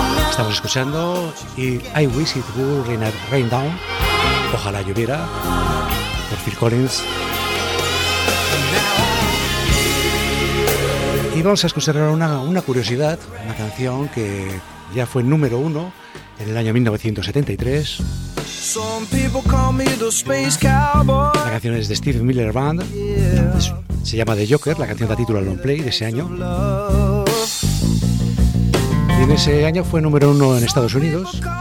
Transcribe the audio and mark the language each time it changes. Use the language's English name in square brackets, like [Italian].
[Spanish] Estamos escuchando I Wish It Would Rain Down, Ojalá Lloviera, por Phil Collins. Y vamos a escuchar ahora una curiosidad, una canción que ya fue número uno en el año 1973. [English] Some people call me the space cowboy. [Spanish] La canción es de Steve Miller Band. Se llama The Joker. La canción da título al long play de ese año. Y en ese año fue número uno en Estados Unidos.